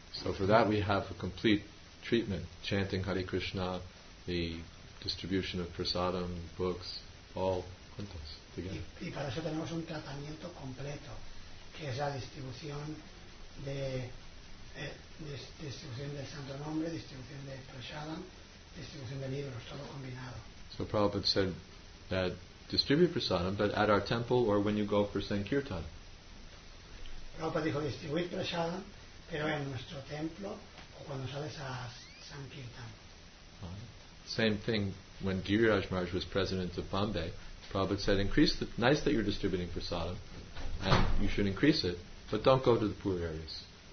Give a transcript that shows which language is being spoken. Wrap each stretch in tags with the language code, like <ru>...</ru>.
<en>So for that we have a complete treatment, chanting Hare Krishna, the distribution of prasadam, books, all juntos, together.</en> <es>Y para eso tenemos un tratamiento completo, que es la distribución de distribución del santo nombre, distribución de prasadam, distribución de libros, todo combinado.</es> <en>So Prabhupada said that distribute prasadam, but at our temple or when you go for Sankirtan.</en> <es>Prabhupada dijo distribuir prasadam, pero en nuestro templo o cuando sales a Sankirtan.</es> <en>Same thing when Giriraj Maharaj was president of Bombay. Prabhupada said, increase the, nice that you're distributing prasadam, and you should increase it, but don't go to the poor areas.</en>